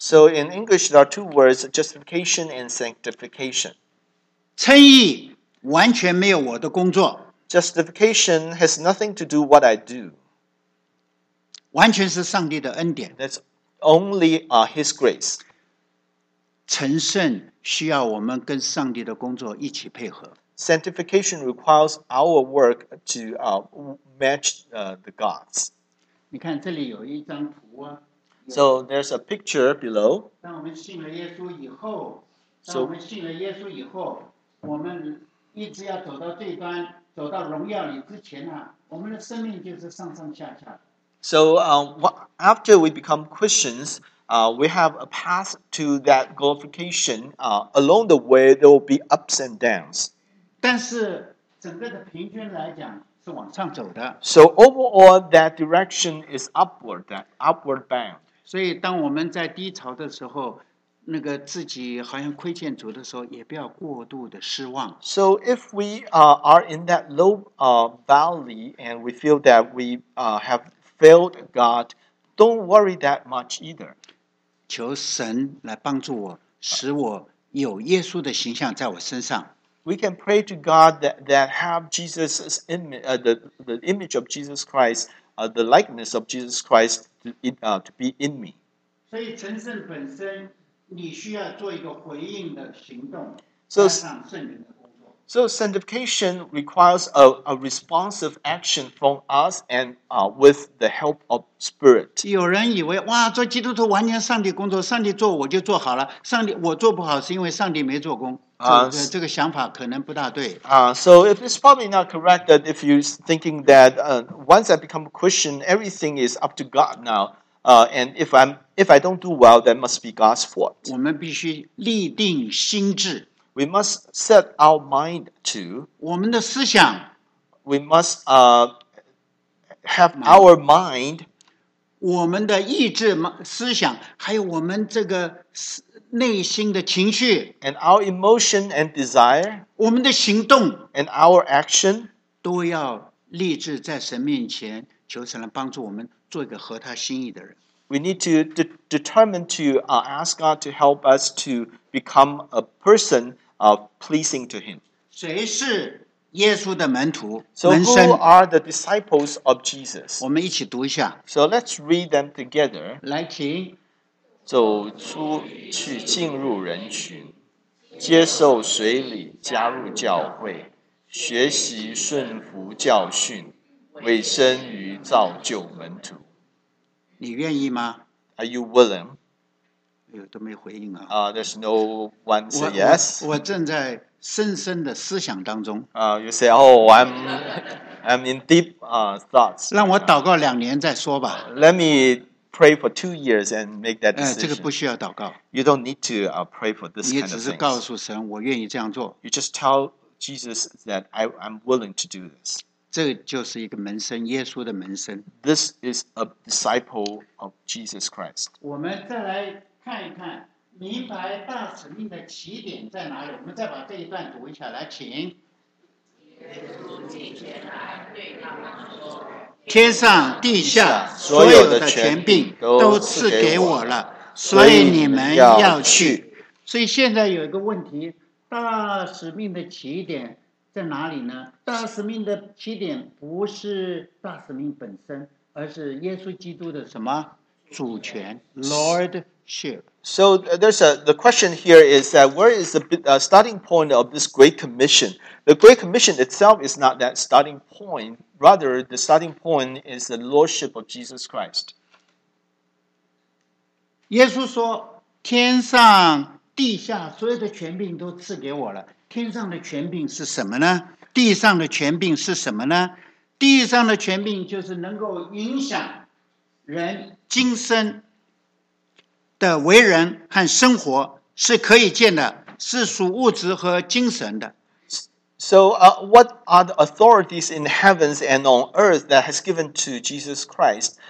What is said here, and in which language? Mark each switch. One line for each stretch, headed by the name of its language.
English: So in English there are two words, justification and sanctification.
Chinese: 称义完全没有我的工作。
English: Justification has nothing to do what I do.
Chinese: 完全是上帝的恩典。
English: That's only His grace.
Chinese: 成圣需要我们跟上帝的工作一起配合。
English: Sanctification requires our work to match the God's.
Chinese: 你看这里有一张图啊。
English: So there's a picture below.
Chinese: 当我们信了耶稣以后，当我们信了耶稣以后，我们一直要走到这一端，走到荣耀里之前啊，我们的生命就是上上下下。
English: So after we become Christians, we have a path to that glorification. Along the way, there will be ups and downs.
Chinese: 但是整个的平均来讲是往上走的。
English: So overall, that direction is upward, that upward bound.
Chinese: 所以当我们在低潮的时候，那个自己好像亏欠主的时候，也不要过度的失望。
English: So if we are in that low valley and we feel that we have failed God, don't worry that much either.
Chinese: 求神来帮助我，使我有耶稣的形象在我身上。
English: We can pray to God that have Jesus's image, the image of Jesus Christ, the likeness of Jesus Christ to be in me.
Chinese: 所以成圣本身，你需要做一个回应的行动，加上圣灵的工作。
English: So sanctification requires a responsive action from us and with the help of Spirit.
Chinese: 有人以为哇，做基督徒完全上帝工作，上帝做我就做好了。上帝我做不好是因为上帝没做工。这个想法可能不大对。
English: So it's probably not correct that if you're thinking that once I become a Christian, everything is up to God now. And if I don't do well, that must be God's fault.
Chinese: 我们必须立定心志。
English: We must set our mind to.
Chinese: 我们的思想。
English: We must have our mind.
Chinese: 我们的意志、思想，还有我们这个内心的情绪。
English: And our emotion and desire.
Chinese: 我们的行动。
English: And our action.
Chinese: 都要立志在神面前，求神来帮助我们做一个合他心意的人。
English: We need to determine to ask God to help us to become a person pleasing to Him.
Chinese: 谁是耶稣的门徒？
English: So who are the disciples of Jesus?
Chinese: 我们一起读一下。
English: So let's read them together.
Chinese: 来，请走出去，进入人群，接受洗礼，加入教会，学习顺服教训，委身于造就门徒。你愿意吗？
English: Are you willing?
Chinese: 都没回应啊。
English: There's no one say yes.
Chinese: 我正在深深的思想当中。
English: You say, I'm in deep thoughts.
Chinese: 让我祷告两年再说吧。
English: Let me pray for 2 years and make that decision.
Chinese: 这个不需要祷告。
English: You don't need to pray for this kind of thing.
Chinese: 你只是告诉神我愿意这样做。
English: You just tell Jesus that I'm willing to do this.
Chinese: 这就是一个门生，耶稣的门生。
English: This is a disciple of Jesus Christ.
Chinese: 我们再来看一看，明白大使命的起点在哪里。我们再把这一段读一下，来，请。天上地下所有的权柄都赐给我了，所以你们要去。所以现在有一个问题，大使命的起点在哪里呢？大使命的起点不是大使命本身，而是耶稣基督的什么主权 ？Lordship.
English: So there's the question here is that where is the starting point of this Great Commission? The Great Commission itself is not that starting point. Rather, the starting point is the Lordship of Jesus Christ.
Chinese: 耶稣说：“天上地下所有的权柄都赐给我了。” 天上的权柄是什么呢？地上的权柄是什么呢？地上的权柄就是能够影响人今生的为人和生活，是可以见的，是属物质和精神的。
English: So, what are the authorities in heavens and on earth that has given to Jesus Christ?